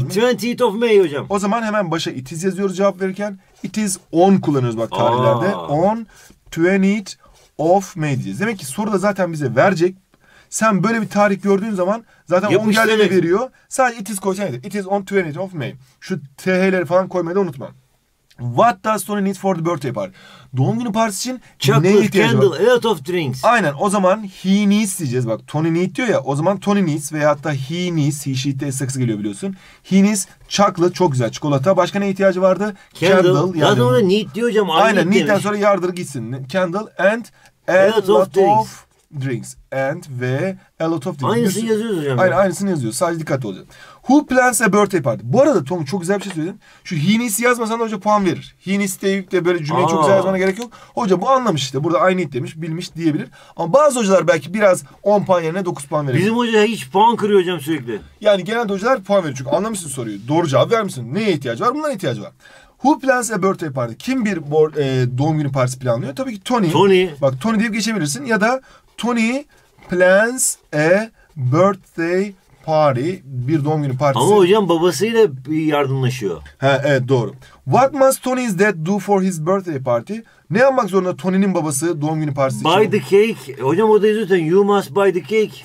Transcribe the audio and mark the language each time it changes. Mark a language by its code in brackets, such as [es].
[en] 20th of May hocam. [tr] O zaman hemen başa it is yazıyoruz cevap verirken. It is 10 kullanıyoruz bak tarihlerde. Aa. [en] On 20th of May [tr] diyeceğiz. Demek ki soru da zaten bize verecek. Sen böyle bir tarih gördüğün zaman zaten on geldiğini veriyor. Sadece it is koysan yeter. [en] It is on 20th of May. [tr] Şu TH'leri falan koymayı da unutma. [en] What does Tony need for the birthday party? [tr] Doğum günü partisi için [en] chocolate, [tr] neye ihtiyacı [en] candle, [tr] var? [en] Chocolate, candle, a lot of drinks. [tr] Aynen, o zaman he needs diyeceğiz. Bak Tony need diyor ya, o zaman Tony needs veyahut da he needs, he she de sıkı geliyor biliyorsun. [en] He needs chocolate, [tr] çok güzel çikolata. Başka ne ihtiyacı vardı? Candle. Yani ona need diyor hocam. Aynen, need'den demiş. Sonra yardır gitsin. [en] Candle and a lot of drinks. Drinks and ve a lot of drinks. [tr] Aynısını yazıyoruz hocam. Aynen, aynısını yazıyoruz. Sadece dikkatli olacağız. [en] Who plans a birthday party? [tr] Bu arada Tom çok güzel bir şey söyledin. Şu he needs yazmasan da hoca puan verir. He needs deyip de böyle cümleyi çok güzel yazmana gerek yok. Hoca bu anlamış işte. Burada I need demiş, bilmiş diyebilir. Ama bazı hocalar belki biraz 10 puan yerine 9 puan verir. Bizim hoca hiç puan kırıyor hocam sürekli. Yani genelde hocalar puan verir. Çünkü anlamışsın soruyu. Doğru cevap vermişsin. Neye ihtiyacı var? Bunlara ihtiyacı var. [en] Who plans a birthday party? [tr] Kim bir doğum günü partisi planlıyor? Tabii ki Tony. Tony. Bak Tony deyip geçebilirsin ya da [en] Tony plans a birthday party. [tr] Bir doğum günü partisi. Ama hocam babasıyla yardımlaşıyor. He, evet doğru. [en] What must Tony's dad do for his birthday party? [tr] Ne yapmak zorunda Tony'nin babası doğum günü partisi için? [en] Buy the cake. [tr] Hocam o da zaten [en] you must buy the cake.